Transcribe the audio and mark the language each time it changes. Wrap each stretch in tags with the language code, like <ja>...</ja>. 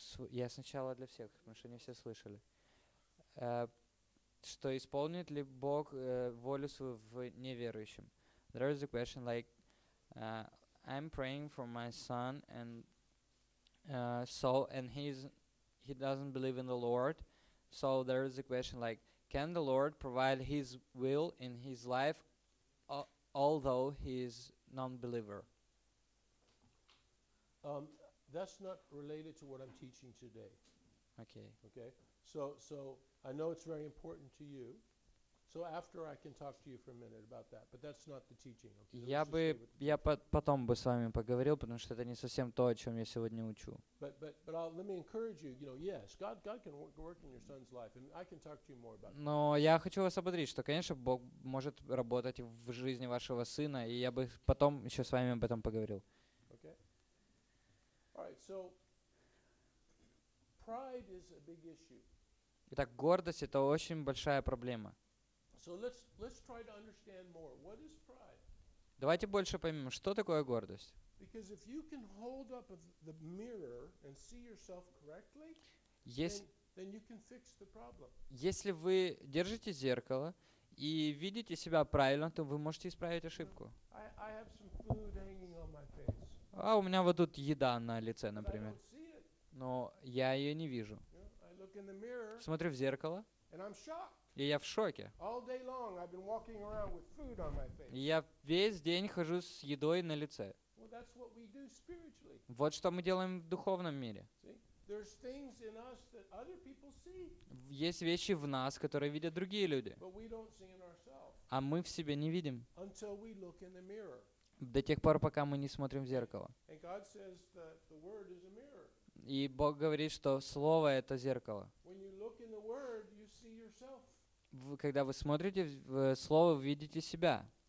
<ru>Я сначала для всех, потому что не все слышали. Что исполнит ли Бог волю свою в неверующем?</ru> <en>There is a question like, I'm praying for my son, and so, and he doesn't believe in the Lord, so there is a question like, can the Lord provide his will in his life although he is non-believer. That's not related to what I'm teaching today. Okay. Okay. So I know it's very important to you. So after I can talk to you for a minute about that, but that's not the teaching.</en> <ru>Я потом бы с вами поговорил, потому что это не совсем то, о чем я сегодня учу.</ru> <en>But I'll, let me encourage you. You know, yes, God can work in your son's life, and I can talk to you more about.</en> <ru>Но я хочу вас ободрить, что, конечно, Бог может работать в жизни вашего сына, и я бы потом еще с вами об этом поговорил.</ru> <en>Okay. All right. So pride is a big issue.</en> <ru>Итак, гордость — это очень большая проблема.</ru> <en>So let's try to understand more. What is pride?</en> <ru>Давайте больше поймем, что такое гордость.</ru> <en>Because if you can hold up the mirror and see yourself correctly, then you can fix the problem.</en> <ru>Если вы держите зеркало и видите себя правильно, то вы можете исправить ошибку.</ru> <en>I have some food hanging on my face.</en> <ru>А у меня вот тут еда на лице, например.</ru> <en>But I don't see it.</en> <ru>Но я ее не вижу.</ru> <en>I look in the mirror,</en> <ru>смотрю в зеркало.</ru> <en>And I'm shocked.</en> <ru>И я в шоке.</ru> <en>All day long I've been walking around with food on my face.</en> <ru>Я весь день хожу с едой на лице.</ru> <en>Well, that's what we do spiritually.</en> <ru>Вот что мы делаем в духовном мире.</ru> <en>See? There's things in us that other people see.</en> <ru>Есть вещи в нас, которые видят другие люди.</ru> <en>But we don't see in ourselves.</en> <ru>А мы в себе не видим.</ru> <en>Until we look in the mirror.</en> <ru>До тех пор, пока мы не смотрим в зеркало.</ru> <en>And God says that the word is a mirror.</en> <ru>И Бог говорит, что слово — это зеркало.</ru> <en>When you look in the word, you see yourself.</en> <ru>Когда вы смотрите в слово, вы видите себя.</ru>